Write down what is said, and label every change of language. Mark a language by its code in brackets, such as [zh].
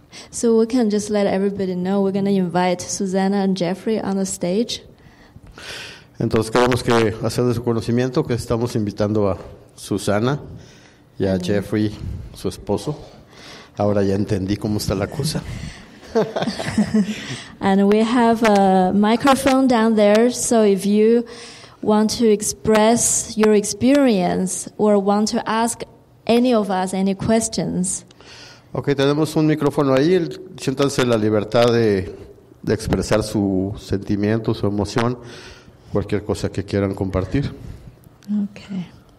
[en] So we can just let everybody know we're going to invite Susana and Jeffrey on the stage. [es] Entonces queremos que hacer de su conocimiento que estamos invitando a Susana y a Jeffrey, su esposo. Ahora ya entendí cómo está la cosa. [en] And we have a microphone down there, so if you want to express your experience or want to ask any of us any questions. [es] Okay, tenemos un micrófono ahí, siéntanse la libertad de expresar su sentimiento, su emoción. Cualquier cosa que quieran compartir. [en] Okay.